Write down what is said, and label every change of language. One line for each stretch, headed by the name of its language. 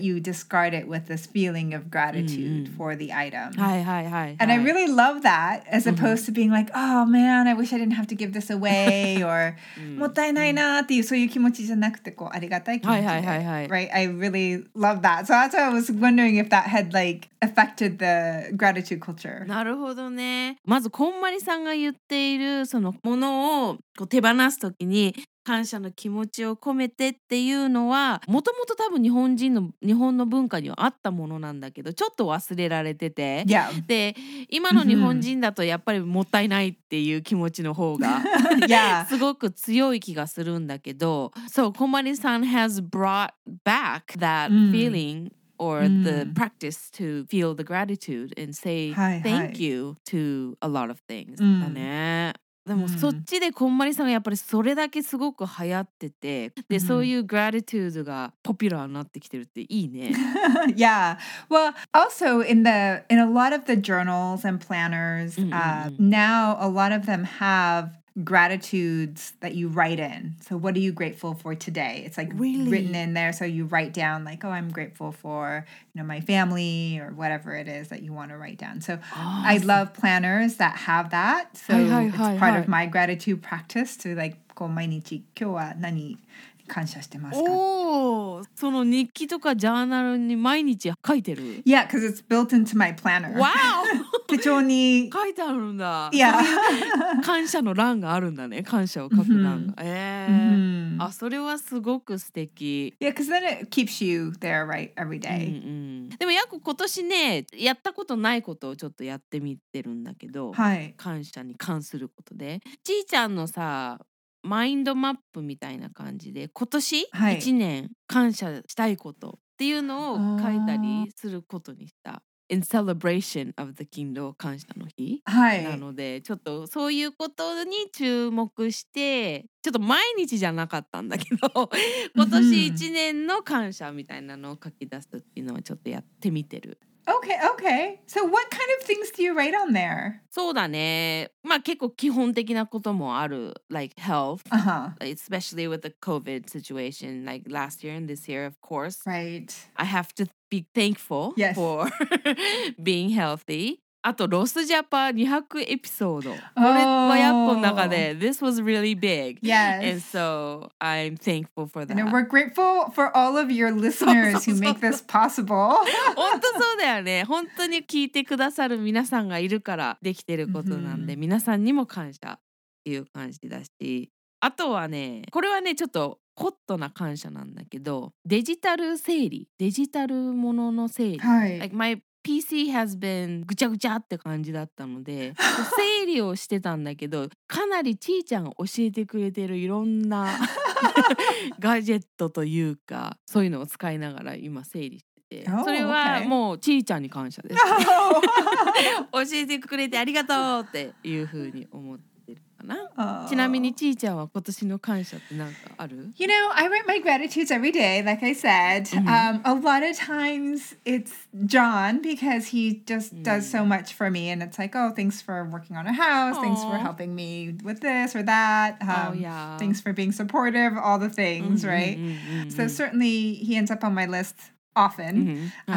English: You discard it with this feeling of gratitude、mm-hmm. for the item and I really love that as opposed、mm-hmm. to being like oh man, I wish I didn't have to give this away or
Japanese: もったいないなっていうそういう気持ちじゃなくてこうありがたい気持ちで、
English: right? I really love that. So that's why I was wondering if that had like affected the gratitude culture.
Japanese: なるほどね。まずこんまりさんが言っているそのものをこう手放すときに感謝の気持ちを込めてっていうのはもともと多分日本人の日本の文化にはあったものなんだけどちょっと忘れられてて、
English: yeah.
Japanese: で今の日本人だとやっぱりもったいないっていう気持ちの方が
English: yeah.
Japanese: すごく強い気がするんだけど
English: So Komari san has brought back that feelingOr the practice to feel the gratitude and say thank you to a lot of things.
Japanese: だね。でもそっちでこんまりさんがやっぱりそれだけすごく流行ってて、で、そういうgratitudeがポピュラーになってきてるっていいね。
English: Yeah. Well, also in a lot of the journals and planners, now a lot of them have... gratitudes that you write in. So what are you grateful for today? It's like really? Written in there. So you write down like, oh, I'm grateful for, you know, my family or whatever it is that you want to write down. So I love planners that have that. So it's part of my gratitude practice to like,
Japanese: こう毎日今日は何感謝してますか? その日記とかジャーナルに毎日書いてる?
English: Yeah, because it's built into my planner. Wow!
Japanese: 手帳に書いてあるんだ。 Yeah. 感謝の欄があるんだね。感謝を書く欄が。あ、それはすごく素敵。
English: Yeah, because then it keeps you there, right, every day.
Japanese: でも約今年ね、やったことないことをちょっとやってみてるんだけど、はい、感謝に関することで。ちーちゃんのさ、マインドマップみたいな感じで今年1年感謝したいことっていうのを書いたりすることにした、はい、
English: In celebration of the
Japanese: 勤労感謝の日、はい、なのでちょっとそういうことに注目してちょっと毎日じゃなかったんだけど今年1年の感謝みたいなのを書き出すっていうのをちょっとやってみてる。
English: Okay. So what kind of things do you write on there?
Japanese: そうだね。まあ結構基本的なこともある。
English: Like health. Uh-huh. Especially with the COVID situation. Like last year and this year, of course. Right. I have to be thankful yes. for being healthy.
Japanese: あとロスジャパ200エピソード。これはやっぱ中で。
English: This was really big. Yes. And so I'm thankful for that. And we're grateful for all of your listeners who make this possible.
Japanese: 本当そうだよね。本当に聞いてくださる皆さんがいるからできてることなんで、皆さんにも感謝っていう感じだし。あとはね、これはね、ちょっとホットな感謝なんだけど、デジタル整理、デジタルものの整理、はい、
English: like my PC has been
Japanese: ぐちゃぐちゃって感じだったので整理をしてたんだけど、かなりちーちゃんが教えてくれてるいろんなガジェットというか、そういうのを使いながら今整理してて、それはもうちーちゃんに感謝です。教えてくれてありがとうっていう風に思って。ちなみにちーちゃんは今年の感謝って何かある？
English: You know, I write my gratitudes every day, like I said. A lot of times it's John because he just does so much for me. And it's like, oh, thanks for working on a house. Thanks for helping me with this or that. Thanks for being supportive, all the things, right? So certainly he ends up on my list often.